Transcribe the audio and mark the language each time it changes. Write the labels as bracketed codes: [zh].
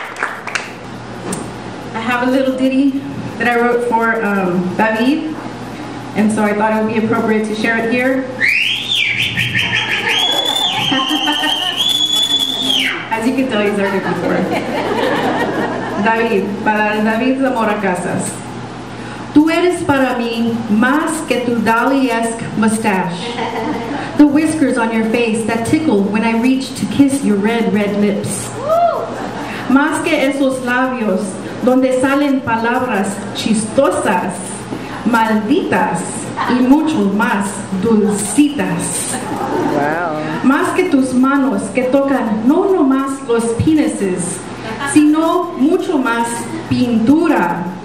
[en] have a little ditty that I wrote for David, and so I thought it would be appropriate to share it here. As you can tell, he's heard it before. [es] David, para David Zamora Casas. Tú eres para mí más que tu [en] Dali-esque mustache. The whiskers on your face that tickle when I reach to kiss your red, red lips. [es] Más que esos labios donde salen palabras chistosas, malditas, y mucho más dulcitas. [en] Wow. [es] Más que tus manos que tocan no nomás los penises, sino mucho más pintura.